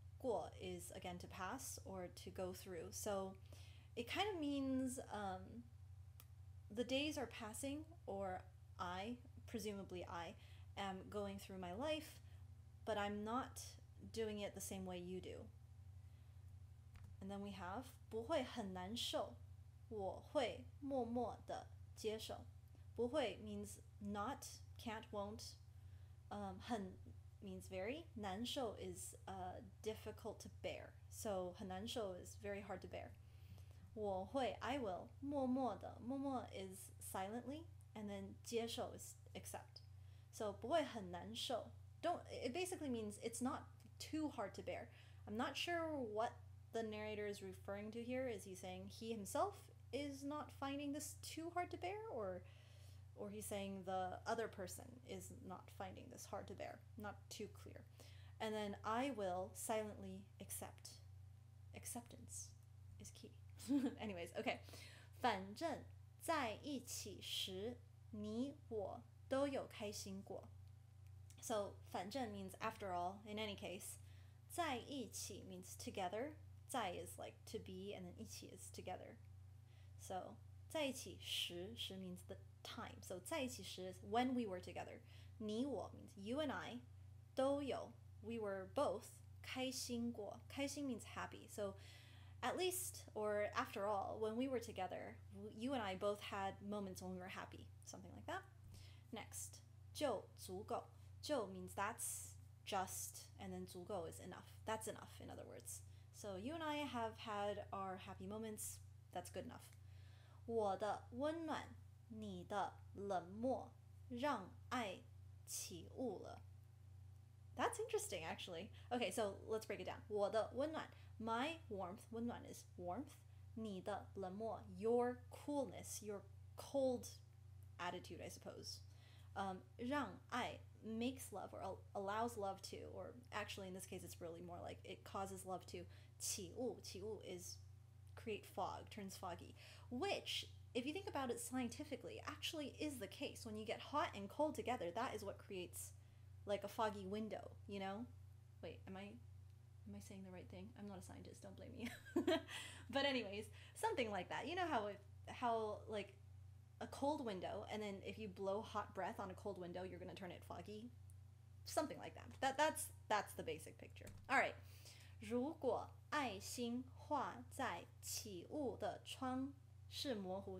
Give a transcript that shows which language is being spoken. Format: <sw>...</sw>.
<en>过 is again to pass or to go through. So it kind of means the days are passing, or I, presumably I, am going through my life, but I'm not doing it the same way you do. And then we have</en> <zh>不会很难受, 我会默默地接受.</zh> <en>不会 means not, can't, won't. 很 means very. 难受 is difficult to bear. So 很难受 is very hard to bear. 我会, I will, 默默地, 默默 is silently, and then 接受 is accept. So</en> <zh>不会很难受.</zh> <en>It basically means it's not too hard to bear. I'm not sure what the narrator is referring to here. Is he saying he himself is not finding this too hard to bear, or he's saying the other person is not finding this hard to bear, not too clear. And then I will silently accept. Acceptance is key. Anyways, okay.</en> <zh>反正在一起时你我都有开心过。</zh> <en>So 反正 means after all, in any case. 在一起 means together. 在 is like to be, and then 一起 is together. So 在一起时时 means the time. So 在一起时 is when we were together. 你我 means you and I 都有 we were both 开心过。开心 means happy. So at least, or after all, when we were together, you and I both had moments when we were happy. Something like that. Next, 就足够。就 means that's just, and then 足够 is enough. That's enough, in other words. So you and I have had our happy moments, that's good enough.</en> <zh>我的温暖，你的冷漠，让爱起雾了。</zh> <en>That's interesting, actually. Okay, so let's break it down.</en> <zh>我的温暖,</zh> <en>my warmth, 温暖 is warmth.</en> <zh>你的冷漠,</zh> <en>your coolness, your cold attitude, I suppose. 让爱makes love or allows love to, or actually in this case it's really more like it causes love to, 起雾, 起雾 is create fog, turns foggy, which if you think about it scientifically actually is the case. When you get hot and cold together, that is what creates like a foggy window, you know. Wait, am I saying the right thing? I'm not a scientist, don't blame me. But anyways, something like that, you know, how like a cold window, and then if you blow hot breath on a cold window, you're going to turn it foggy. Something like that. That's the basic picture. All right.</en> <zh>如果爱心画在起雾的窗是模糊。</zh>